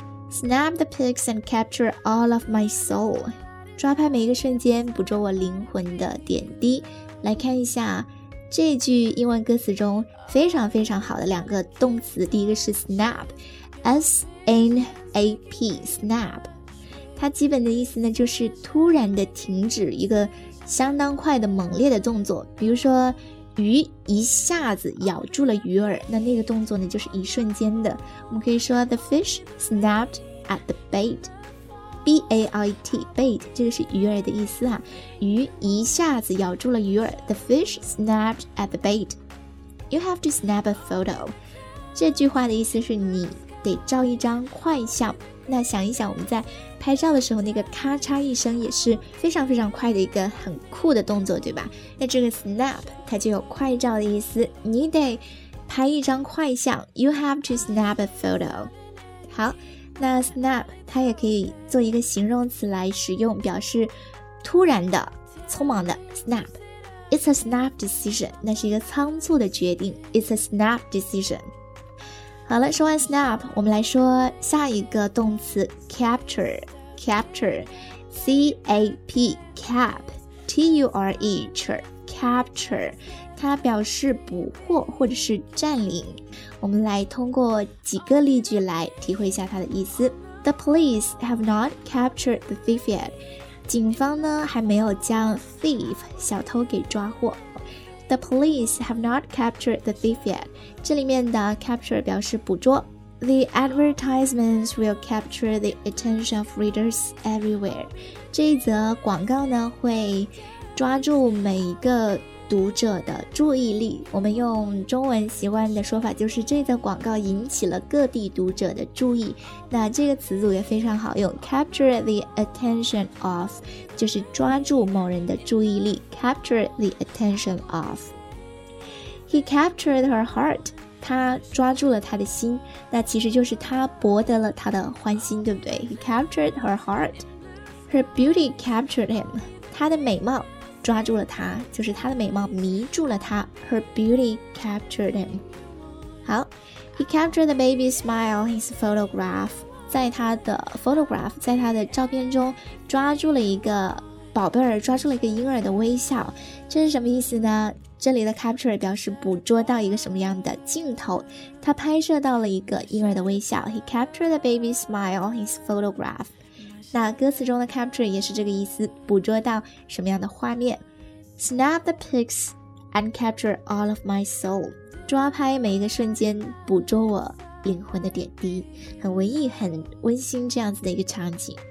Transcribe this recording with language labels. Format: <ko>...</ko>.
<en>Snap the pics and capture all of my soul.</en> <zh>抓拍每一个瞬间，捕捉我灵魂的点滴。来看一下这句英文歌词中非常非常好的两个动词。第一个是 snap, S-N-A-P, snap. 它基本的意思呢，就是突然的停止，一个相当快的猛烈的动作。比如说，鱼一下子咬住了鱼饵，那那个动作呢，就是一瞬间的。我们可以说</zh> <en>the fish snapped. At the bait,</en> <zh>B-A-I-T, bait, 这个是鱼饵的意思啊。鱼一下子咬住了鱼饵</zh> <en>The fish snapped at the bait. You have to snap a photo.</en> <zh>这句话的意思是你得照一张快相。那想一想我们在拍照的时候那个咔嚓一声也是非常非常快的一个很酷的动作，对吧？那这个 snap, 它就有快照的意思。你得拍一张快相</zh> <en>You have to snap a photo.</en> <zh>好那 snap 它也可以做一个形容词来使用，表示突然的、匆忙的 snap.</zh> <en>It's a snap decision.</en> <zh>那是一个仓促的决定。</zh> <en>It's a snap decision.</en> <zh>好了，说完 snap， 我们来说下一个动词 capture.</zh> <en>Capture, C A P cap T U R E capture.</en> <zh>Capture， 它表示捕获或者是占领。我们来通过几个例句来体会一下它的意思。</zh> <en>The police have not captured the thief yet.</en> <zh>警方呢还没有将 thief 小偷给抓获。</zh> <en>The police have not captured the thief yet.</en> <zh>这里面的 capture 表示捕捉。</zh> <en>The advertisements will capture the attention of readers everywhere.</en> <zh>这一则广告呢会抓住每一个读者的注意力，我们用中文习惯的说法就是这则广告引起了各地读者的注意。那这个词组也非常好用</zh> <en>capture the attention of</en> <zh>就是抓住某人的注意力 capture the attention of</zh> <en>He captured her heart</en> <zh>他抓住了他的心，那其实就是他博得了他的欢心，对不对？</zh> <en>He captured her heart Her beauty captured him</en> <zh>他的美貌抓住了他，就是他的美貌迷住了他。</zh> <en>Her beauty captured him. 好 ，He captured the baby's smile in his photograph.</en> <zh>在他的 photograph， 在他的照片中，抓住了一个宝贝儿，抓住了一个婴儿的微笑。这是什么意思呢？这里的 capture 表示捕捉到一个什么样的镜头，他拍摄到了一个婴儿的微笑。</zh> <en>He captured the baby's smile in his photograph.</en> <zh>那歌词中的 capture 也是这个意思，捕捉到什么样的画面。</zh> <en>Snap the pics and capture all of my soul.</en> <zh>抓拍每一个瞬间，捕捉我灵魂的点滴。很文艺，很温馨这样子的一个场景。</zh>